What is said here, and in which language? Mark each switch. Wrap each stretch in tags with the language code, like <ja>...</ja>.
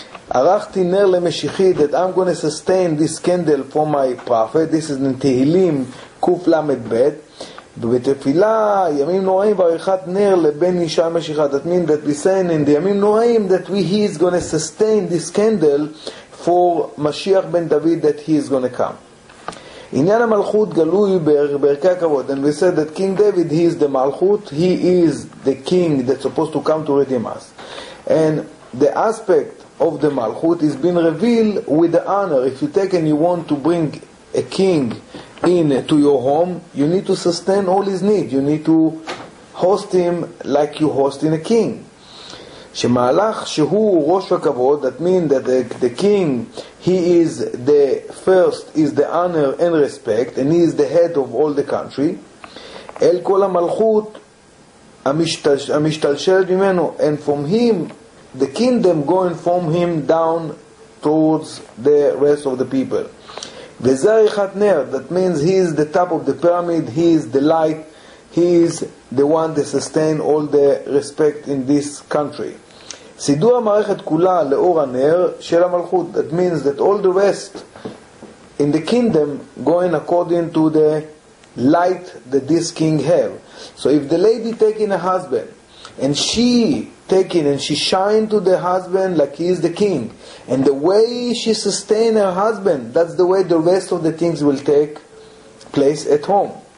<he>Arachti ner lemeshichi,</he> <en>that I'm going to sustain this candle for my prophet. This is in Tehillim, Kuf Lamed Bet. Betefila, Yamim Noraim,</en> <he>Varichat Ner leben Yisha Meshicha.</he> <en>That means that we saying in the Yamim Noraim that he is going to sustain this candle for Mashiach ben David, that he is going to come.</en> <he>עניין המלכות גלוי בערכי הכבוד.</he> <en>And we said that King David, he is the Malchut, he is the king that's supposed to come to redeem us. And the aspect of the Malchut is being revealed with the honor. If you take and you want to bring a king in to your home, you need to sustain all his needs. You need to host him like you hosting a king.</en> <he>שמהלך שהוא ראש הכבוד,</he> <en>that means that the king, he is the first, is the honor and respect, and he is the head of all the country.</en> <he>אל כל המלכות המשתלשלת ממנו,</he> <en>and from him, the kingdom going from him down towards the rest of the people.</en> <he>וזה עריכת נר,</he> <en>that means he is the top of the pyramid, he is the light, he is the one that sustains all the respect in this country.</en> <he>סידור המערכת כולה לאור הנר של המלכות.</he> <en>That means that all the rest in the kingdom going according to the light that this king have. So if the lady taking a husband and she taking and she shine to the husband like he is the king, and the way she sustain her husband, that's the way the rest of the things will take place at home.</en>